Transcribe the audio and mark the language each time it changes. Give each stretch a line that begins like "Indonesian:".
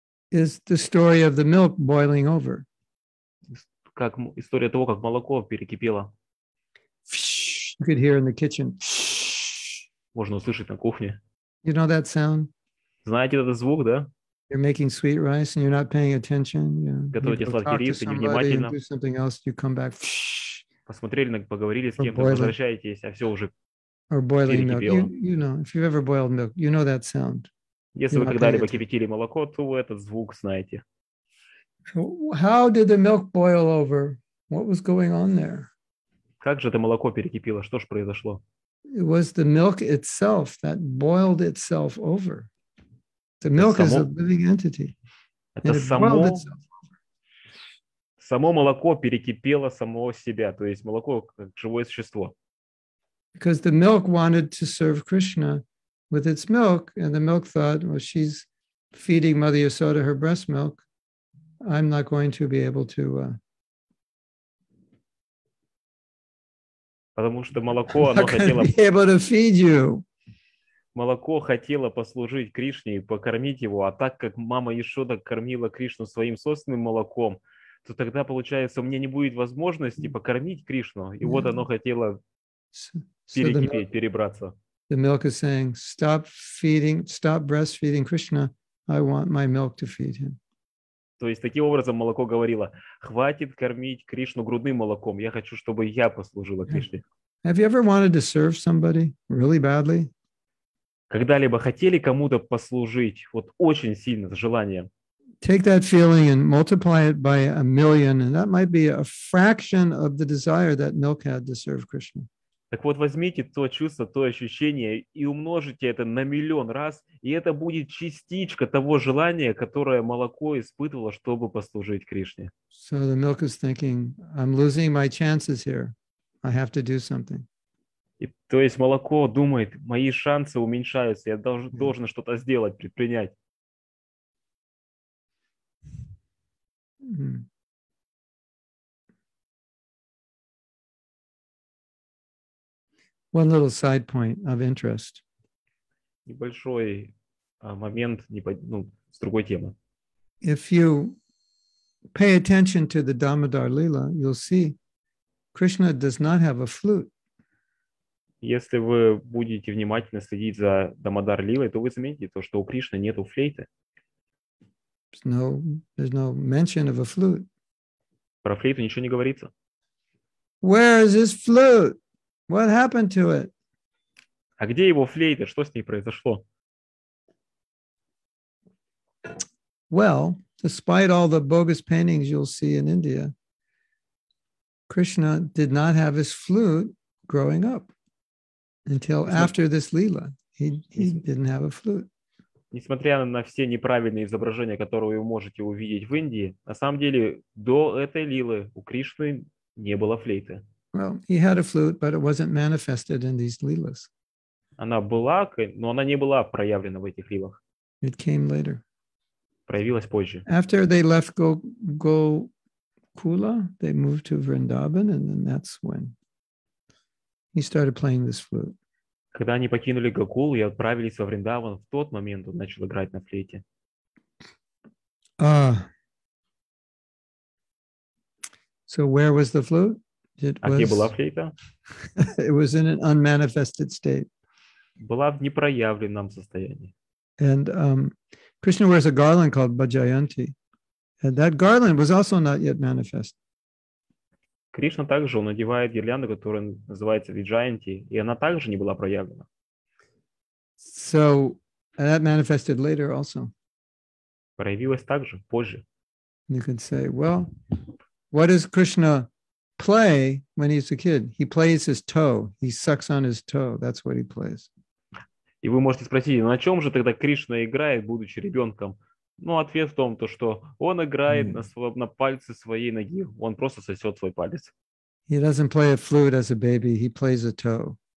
English: Is the story of the milk boiling over.
Russian: Как история того, как молоко перекипело.
English: You could hear in the kitchen.
Russian: Можно услышать на кухне.
English: You know that sound?
Russian: Знаете этот звук, да?
English: You're making sweet rice and you're not paying attention. You know,
Russian: готовите сладкий рис и невнимательно.
English: Do something else, you come back.
Russian: Посмотрели, поговорили с кем-то, возвращаетесь, а все уже
English: or boiling milk. You know, if you've ever boiled milk, you know that sound.
Russian: Если вы когда-либо кипятили молоко, то вы этот звук знаете.
English: So how did the milk boil over? What was going on there?
Russian: Как же это молоко перекипело? Что ж произошло?
English: It was the milk itself that boiled itself over. The milk is a living entity.
Russian: Само молоко перекипело самого себя, то есть молоко как живое существо.
English: Because the milk wanted to serve Krishna with its milk, and the milk thought, well, she's feeding Mother Yasoda her breast milk. I'm not going to be able to.
Russian: Потому что молоко, оно хотело...
English: be able to feed you.
Russian: Молоко хотело послужить Кришне и покормить его, а так как мама Ясода кормила Кришну своим собственным молоком, то тогда, получается, у меня не будет возможности покормить Кришну. И вот оно хотело перекипеть, перебраться.
English: The milk is saying, stop feeding, stop breastfeeding Krishna. I want my milk to feed him.
Russian: То есть, таким образом, молоко говорило, хватит кормить Кришну грудным молоком. Я хочу, чтобы я послужила Кришне.
English: Have you ever wanted to serve somebody really badly?
Russian: Когда-либо хотели кому-то послужить, вот очень сильно, с желанием?
English: Take that feeling and multiply it by a million, and that might be a fraction of the desire that milk had to serve Krishna.
Russian: Так вот, возьмите то чувство, то ощущение и умножите это на миллион раз, и это будет частичка того желания, которое молоко испытывало, чтобы послужить Кришне.
English: So the milk is thinking, I'm losing my chances here. I have to do something.
Russian: И, то есть молоко думает, мои шансы уменьшаются, я должен что-то сделать, предпринять.
English: One little side point of interest.
Russian: Небольшой момент, с другой темы.
English: If you pay attention to the Damodar Lila, you'll see Krishna does not have a flute.
Russian: Если вы будете внимательно следить за Дамодар Лилой, то вы заметите то, что у Кришны нету флейты.
English: There's no mention of a flute.
Russian: Про флейту ничего не говорится.
English: Where is his flute? What happened to it?
Russian: А где его флейта? Что с ней произошло?
English: Well, despite all the bogus paintings you'll see in India, Krishna did not have his flute growing up until after this Leela. He didn't have a flute.
Russian: Несмотря на все неправильные изображения, которые вы можете увидеть в Индии, на самом деле до этой Лилы у Кришны не было флейты.
English: Well, he had a flute, but it wasn't manifested in these leelas.
Russian: Она была, но она не была проявлена в этих лилах.
English: It came later.
Russian: Проявилась позже.
English: After they left Gokula, they moved to Vrindavan, and then that's when he started playing this flute.
Russian: Когда они покинули Гокулу и отправились во Вриндаван, в тот момент он начал играть на флейте.
English: So where was the flute? It was in an unmanifested state.
Russian: Была в непроявленном состоянии.
English: And Krishna wears a garland called Bajayanti. And that garland was also not yet manifest.
Russian: Кришна также он одевает гирлянду, которая называется Виджайанти, и она также не была проявлена.
English: So that manifested later also.
Russian: Проявилась также позже.
English: You could say, well, what is Krishna play when he's a kid? He plays his toe. He sucks on his toe. That's what he plays.
Russian: И вы можете спросить, на чем же тогда Кришна играет, будучи ребенком? Ну, ответ в том, что он играет на пальце своей ноги. Он просто сосет свой палец.
English: He doesn't play a flute as a baby. He plays a toe.